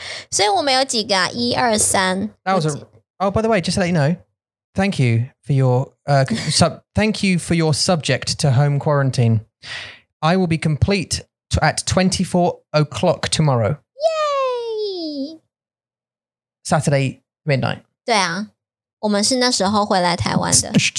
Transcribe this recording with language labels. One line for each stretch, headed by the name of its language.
Chinese: 所以我们有几个啊一二三
English: that was a, oh by the way just to let you know thank you for your thank you for your subject to home quarantine I will be complete at 24 o'clock tomorrow yay Saturday midnight
Chinese: 对啊我们是那时候回来台湾的。